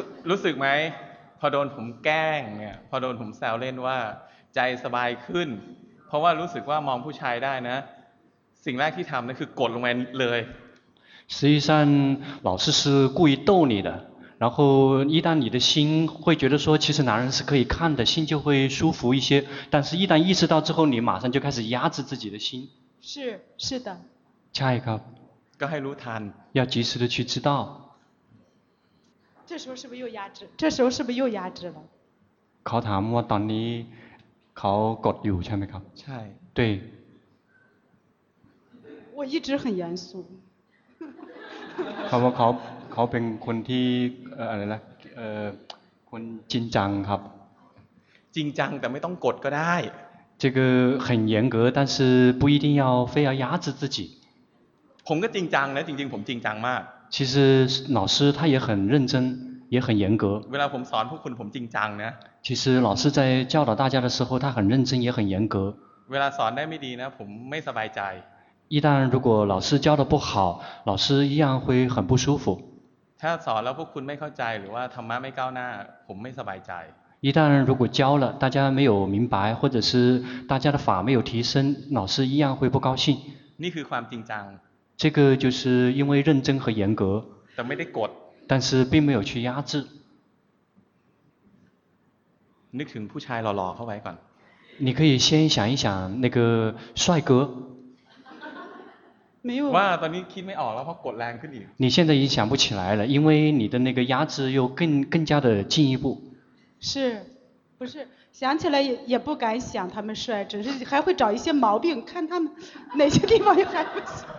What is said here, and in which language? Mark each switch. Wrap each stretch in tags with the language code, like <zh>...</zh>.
<th>รู้สึกไหมพอโดนผมแกล้งเนี่ยพอโดนผมแซวเล่นว่าใจสบายขึ้นเพราะว่ารู้สึกว่ามองผู้ชายได้นะสิ่งแรกที่ทำนั่นคือกดลงไปเลย</th> <zh>实际上老师是故意逗你的然后一旦你的心会觉得说其实男人是可以看的心就会舒服一些但是一旦意识到之后你马上就开始压制自己的心是是的下一个</zh> <th>ก็ให้รู้ทัน</th> <zh>要及时的去知道这时候是不是又压制这时候是不是又压制了</zh> <th>ขอถามว่าตอนนี้เขากดอยู่ใช่ไหมครับ ใช่</th> <zh>对我一直很严肃</zh> <th>เขาว่าเขาเป็นคนที่อะไรนะคนจริงจังครับ จริงจังแต่ไม่ต้องกดก็ได้</th> <zh>这个很严格但是不一定要非要压制自己</zh> <th>ผมก็จริงจังนะจริงๆผมจริงจังมาก</th> <zh>其实老师他也很认真也很严格</zh> <th>เวลาผมสอนพวกคุณผมจริงจังนะ</th> <zh>其实老师在教导大家的时候他很认真也很严格</zh> <th>เวลาสอนได้ไม่ดีนะผมไม่สบายใจ</th> <zh>一旦如果老师教的不好老师一样会很不舒服</zh> <th>ถ้าสอนแล้วพวกคุณไม่เข้าใจหรือว่าธรรมะไม่ก้าวหน้าผมไม่สบายใจ</th> <zh>一旦如果教了大家没有明白或者是大家的法没有提升老师一样会不高兴</zh> <th>นี่คือความจริงจัง</th> <zh>这个就是因为认真和严格</zh> <th>แต่ไม่ได้กด</th> <zh>但是并没有去压制</zh> <th>นึกถึงผู้ชายหล่อๆเข้าไว้ก่อน</th> <zh>你可以先想一想那个帅哥</zh> <th>ว่าตอนนี้คิดไม่ออกแล้วเพราะกดแรงขึ้นอีก</th> <zh>你现在已经想不起来了因为你的那个压制又更加的进一步是不是想起来 也不敢想他们帅只是还会找一些毛病看他们哪些地方又还不行</zh>